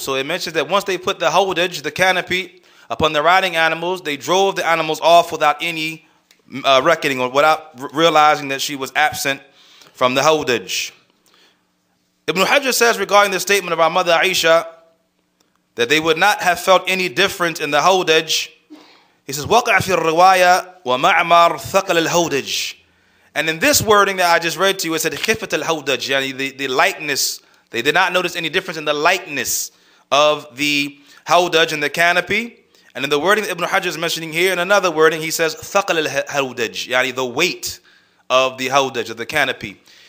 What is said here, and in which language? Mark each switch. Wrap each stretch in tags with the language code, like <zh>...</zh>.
<en>So it mentions that once they put the hawdaj, the canopy, upon the riding animals, they drove the animals off without any reckoning or without realizing that she was absent from the hawdaj. Ibn Hajar says regarding the statement of our mother Aisha that they would not have felt any difference in the hawdaj. He says,</en> <ar>وَقَعَ فِي الرِّوَايَةِ وَمَعْمَرْ ثَقَلَ الْهَوْدَجِ.</ar> <en>And in this wording that I just read to you, it said,</en> <ar>خِفَّةَ الْهَوْدَجِ,</ar> <en>yani the lightness. They did not notice any difference in the lightness of the hawdaj and the canopy. And in the wording that Ibn Hajar is mentioning here, in another wording, he says,</en> <ar>ثَقَلَ الْهَوْدَجِ,</ar> <en>yani the weight of the hawdaj, of the canopy.</en>